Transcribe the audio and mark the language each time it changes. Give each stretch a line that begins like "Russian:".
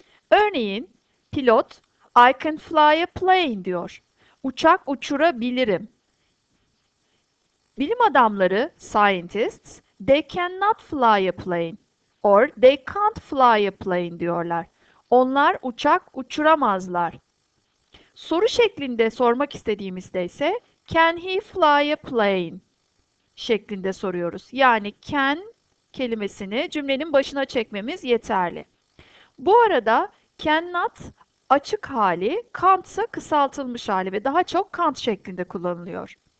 Turkish: Örneğin pilot
English: I can fly a plane
Turkish: diyor. Uçak uçurabilirim. Bilim adamları,
English: scientists, they cannot fly a plane or they can't fly a plane
Turkish: diyorlar. Onlar uçak uçuramazlar. Soru şeklinde sormak istediğimizde ise
English: can he fly a plane
Turkish: şeklinde soruyoruz. Yani can kelimesini cümlenin başına çekmemiz yeterli. Bu arada cannot açık hali, can't ise kısaltılmış hali ve daha çok can't şeklinde kullanılıyor.